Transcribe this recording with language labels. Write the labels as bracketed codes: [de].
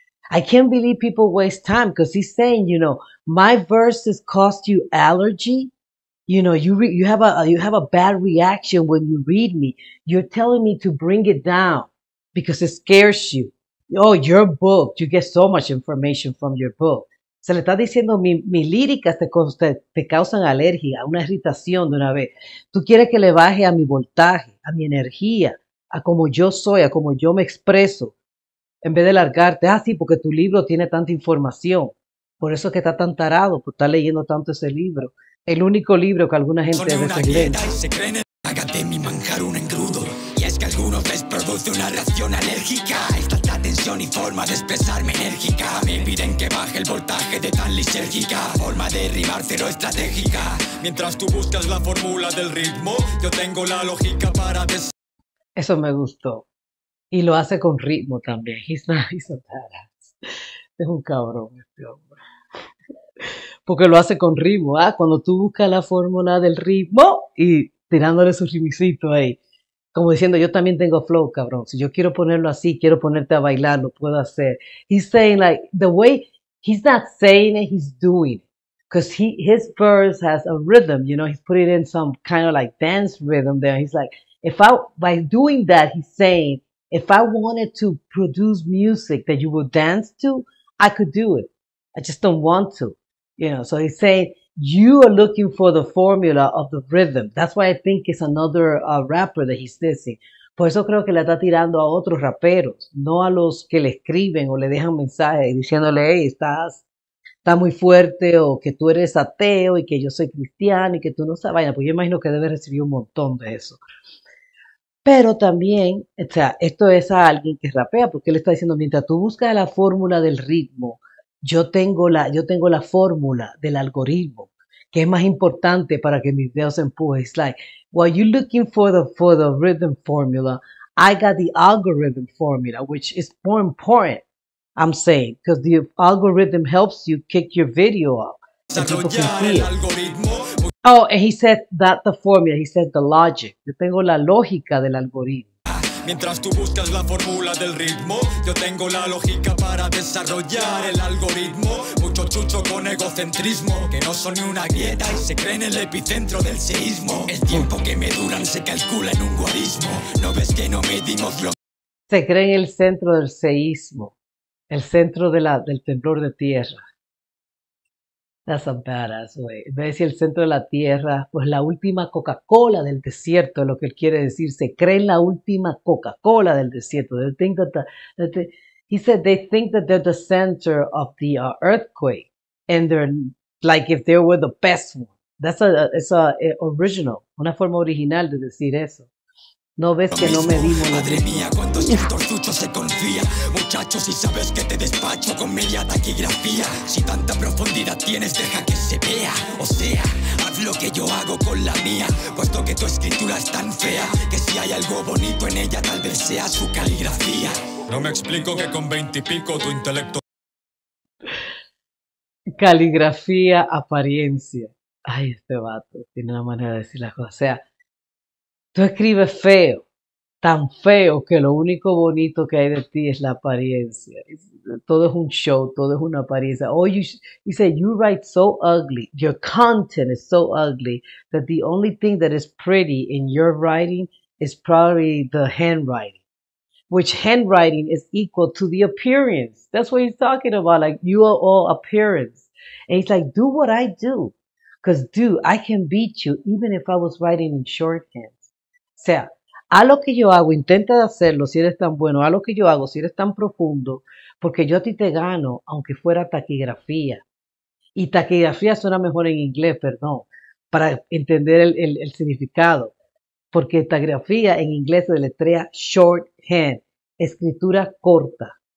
[en] I can't believe people waste time because he's saying, you know, my verses cause you allergy. You know, you have a bad reaction when you read me. You're telling me to bring it down because it scares you. Oh, your book, you get so much information from your book. [es] Se le está diciendo, mi líricas te causan alergia, una irritación de una vez. Tú quieres que le baje a mi voltaje, a mi energía, a como yo soy, a como yo me expreso, en vez de largarte. Ah, sí, porque tu libro tiene tanta información. Por eso es que está tan tarado, por estar leyendo tanto ese libro. El único libro que alguna gente debe leer. Hágate mi manjar un engrudo. Y es que algunos les produce una reacción alérgica. Y forma de expresarme enérgica. Me piden que baje el voltaje de tan lisérgica. Forma de rimar cero estratégica. Mientras tú buscas la fórmula del ritmo, yo tengo la lógica para Eso me gustó. Y lo hace con ritmo también. [en] He's not, he's not that. [es] Es un cabrón este hombre. Porque lo hace con ritmo. Ah, ¿eh? Cuando tú buscas la fórmula del ritmo y tirándole su rimicito ahí. Como diciendo, yo también tengo flow, cabrón. Si yo quiero ponerlo así, quiero ponerte a bailar, lo puedo hacer. [en] He's saying like, the way, he's not saying it, he's doing it. Because his verse has a rhythm, you know, he's putting in some kind of like dance rhythm there. He's like, by doing that, he's saying, if I wanted to produce music that you would dance to, I could do it. I just don't want to, you know. So he's saying, you are looking for the formula of the rhythm. That's why I think it's another rapper that he's dissing. [es] Por eso creo que le está tirando a otros raperos, no a los que le escriben o le dejan mensajes diciéndole, hey, está muy fuerte, o que tú eres ateo y que yo soy cristiano y que tú no sabes. Vaya, pues yo imagino que debe recibir un montón de eso. Pero también, o sea, esto es a alguien que rapea, porque él está diciendo, mientras tú buscas la fórmula del ritmo, yo tengo la fórmula del algoritmo, que es más importante para que mis videos empujen. [en] It's like, while you're looking for the rhythm formula, I got the algorithm formula, which is more important, I'm saying, because the algorithm helps you kick your video up. And people can see it. Oh, and he said that the formula, he said the logic. [es] Yo tengo la lógica del algoritmo. Mientras tú buscas la fórmula del ritmo, yo tengo la lógica para desarrollar el algoritmo. Mucho chucho con egocentrismo, que no son ni una grieta y se creen en el epicentro del seísmo. El tiempo que me duran se calcula en un guarismo. ¿No ves que no medimos lo...? Se creen en el centro del seísmo, el centro del temblor de tierra. [en] That's a badass way. [es] En vez de decir el centro de la tierra, pues la última Coca-Cola del desierto es lo que él quiere decir. Se cree en la última Coca-Cola del desierto. [en] They think that he said they think that they're the center of the earthquake. And they're like if they were the best one. That's a original, [es] una forma original de decir eso. No ves que no medimos. Madre mía, cuántos estorchuchos se confía. Muchachos, si sabes que te despacho con media taquigrafía. Si tanta profundidad tienes, deja que se vea. O sea, haz lo que yo hago con la mía. Puesto que tu escritura es tan fea, que si hay algo bonito en ella, tal vez sea su caligrafía. No me explico que con 20 y pico tu intelecto. Caligrafía, apariencia. Ay, este vato tiene una manera de decir las cosas. O sea, tú escribes feo, tan feo que lo único bonito que hay de ti es la apariencia. Todo es un show, todo es una apariencia. [en] Oh, he said, you write so ugly, your content is so ugly, that the only thing that is pretty in your writing is probably the handwriting. Which handwriting is equal to the appearance. That's what he's talking about, like you are all appearance. And he's like, do what I do. Because dude, I can beat you even if I was writing in shorthand. [es] O sea, haz lo que yo hago, intenta hacerlo si eres tan bueno, haz lo que yo hago si eres tan profundo, porque yo a ti te gano, aunque fuera taquigrafía. Y taquigrafía suena mejor en inglés, perdón, para entender el significado. Porque taquigrafía en inglés se deletrea shorthand, escritura corta.